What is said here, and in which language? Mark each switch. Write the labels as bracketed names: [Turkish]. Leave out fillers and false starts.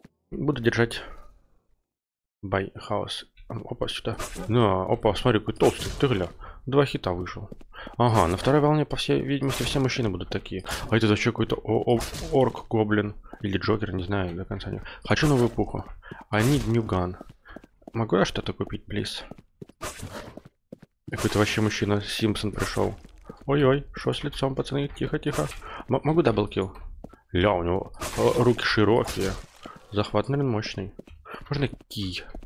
[Russian] Буду держать. By house. Опа, сюда. Ну, опа, смотри, какой толстый, ты гля. Два хита вышел. Ага, на второй волне, по всей видимости, все мужчины будут такие. А это вообще какой-то орк-гоблин. Или Джокер, не знаю, до конца не... Хочу новую пуху. [English] I need new gun. [Russian] Могу я что-то купить, [English] please? [Russian] Какой-то вообще мужчина Симпсон пришел. Ой-ой, что с лицом, пацаны? Тихо-тихо. Могу даблкил? Ля, у него руки широкие. Захват, наверное, мощный. Можно кий?